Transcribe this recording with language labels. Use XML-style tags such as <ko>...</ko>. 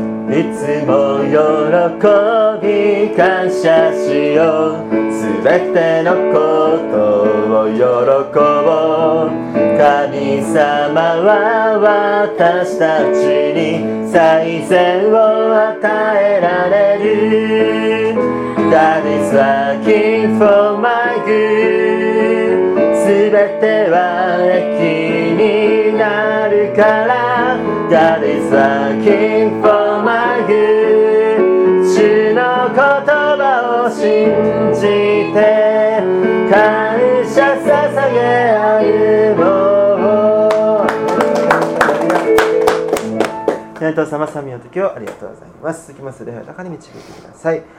<ja>いつも喜び感謝しよう、すべてのことを喜ぼう。神様は私たちに最善を与えられる。</ja> <en>God is working for my good。</en> <ja>すべては益になるから。</ja> <en>God is working for my good。</en> <ja>主の言葉を信じて感謝捧げ歩もう。天道様、賛美の時をありがとうございます。続きますレフェの中に導いてください。</ja>